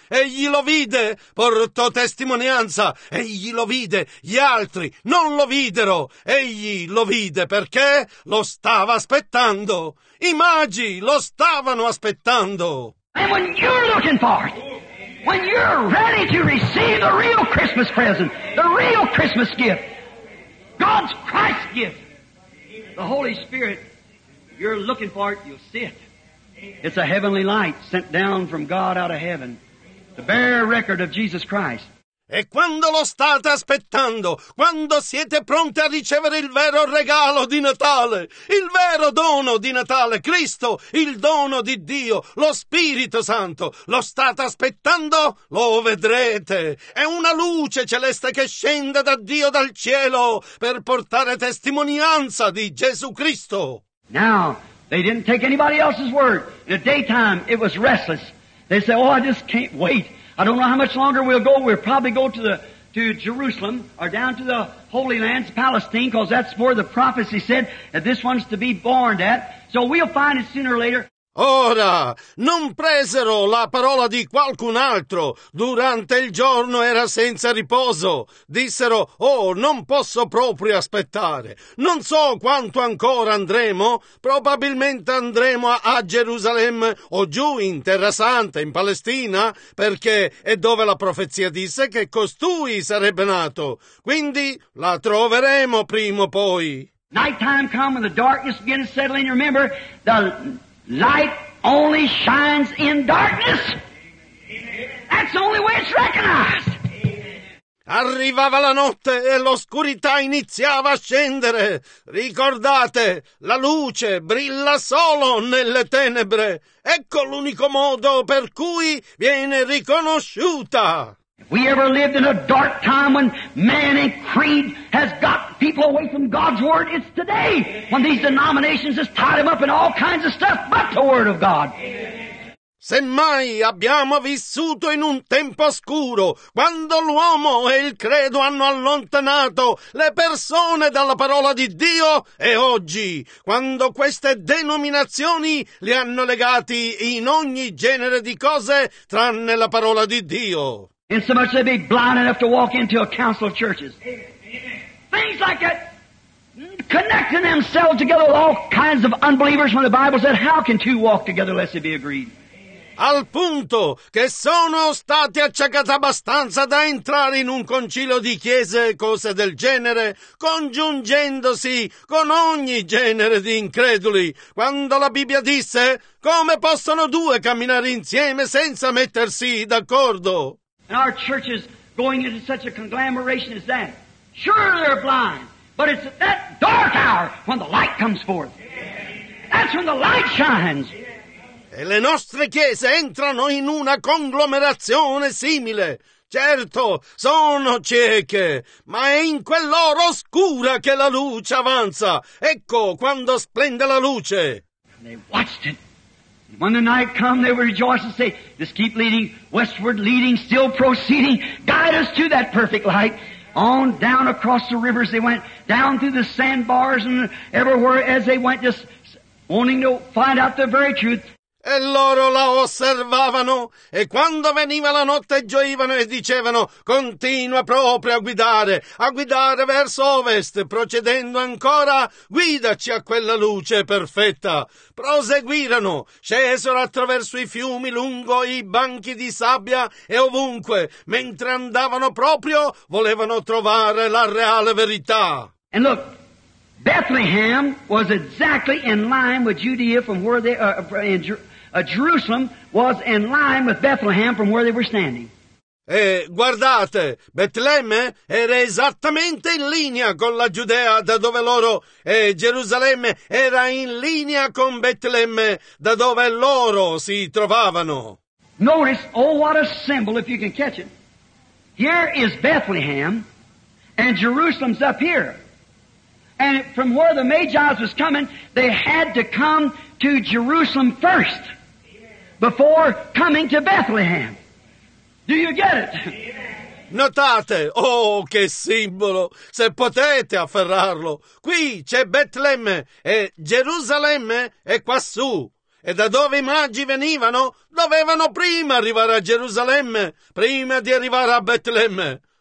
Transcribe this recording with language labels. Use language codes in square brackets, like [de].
[it] Egli lo vide, portò testimonianza, egli lo vide, gli altri non lo videro. Egli lo vide perché lo stava aspettando. I magi lo stavano aspettando. [en] And when you're looking for it, when you're ready to receive the real Christmas present, the real Christmas gift, God's Christ gift, the Holy Spirit, if you're looking for it, you'll see it. It's a heavenly light sent down from God out of heaven, the bare record of Jesus Christ. [it] E quando lo state aspettando, quando siete pronti a ricevere il vero regalo di Natale, il vero dono di Natale, Cristo, il dono di Dio, lo Spirito Santo, lo state aspettando, lo vedrete. È una luce celeste che scende da Dio dal cielo per portare testimonianza di Gesù Cristo. [en] Now, they didn't take anybody else's word. In the daytime, it was restless. They said, oh, I just can't wait. I don't know how much longer we'll go. We'll probably go to Jerusalem or down to the Holy Lands, Palestine, because that's where the prophecy said that this one's to be born at. So we'll find it sooner or later. [it] Ora, non presero la parola di qualcun altro. Durante il giorno era senza riposo. Dissero, oh, non posso proprio aspettare. Non so quanto ancora andremo. Probabilmente andremo a Gerusalemme o giù in Terra Santa, in Palestina, perché è dove la profezia disse che costui sarebbe nato. Quindi la troveremo prima o poi. [en] Night time come and the darkness began to settle in. Remember, the light only shines in darkness. That's the only way it's recognized. [it] Arrivava la notte e l'oscurità iniziava a scendere. Ricordate, la luce brilla solo nelle tenebre. Ecco l'unico modo per cui viene riconosciuta. [en] If we ever lived in a dark time when man and creed has got people away from God's Word, it's today when these denominations has tied them up in all kinds of stuff but the Word of God. [it] Se mai abbiamo vissuto in un tempo oscuro, quando l'uomo e il credo hanno allontanato le persone dalla parola di Dio, è oggi, quando queste denominazioni li hanno legati in ogni genere di cose tranne la parola di Dio. [en] In so much they'd be blind enough to walk into a council of churches. Amen. Things like that, connecting themselves together with all kinds of unbelievers when the Bible said, how can two walk together unless they be agreed? [it] Al punto che sono stati acciaccati abbastanza da entrare in un concilio di chiese e cose del genere, congiungendosi con ogni genere di increduli. Quando la Bibbia disse, come possono due camminare insieme senza mettersi d'accordo? [en] And our church is going into such a conglomeration as that. Sure, they're blind, but it's at that dark hour when the light comes forth. That's when the light shines. [it] E le nostre chiese entrano in una conglomerazione simile. Certo, sono cieche, ma è in quell'ora oscura che la luce avanza. Ecco quando splende la luce. [en] And they watched it. When the night come, they will rejoice and say, just keep leading, westward leading, still proceeding, guide us to that perfect light. On down across the rivers they went, down through the sandbars and everywhere as they went, just wanting to find out the very truth. [it] E loro la osservavano, e quando veniva la notte gioivano e dicevano, continua proprio a guidare verso ovest, procedendo ancora, guidaci a quella luce perfetta. Proseguirono, scesero attraverso i fiumi lungo i banchi di sabbia e ovunque, mentre andavano proprio, volevano trovare la reale verità. [en] And look. Bethlehem was exactly in line with Judea from where they Jerusalem was in line with Bethlehem from where they were standing. [it] E guardate, Betlemme era esattamente in linea con la Giudea da dove loro, e Gerusalemme era in linea con Betlemme da dove loro si trovavano. [en] Notice, oh what a symbol if you can catch it. Here is Bethlehem and Jerusalem's up here. And from where the Magi's was coming, they had to come to Jerusalem first before coming to Bethlehem. Do you get it? [it] Notate, oh che simbolo, se potete afferrarlo. Qui c'è Betlemme e Gerusalemme è quassù. E da dove i magi venivano, dovevano prima arrivare a Gerusalemme, prima di arrivare a Betlemme.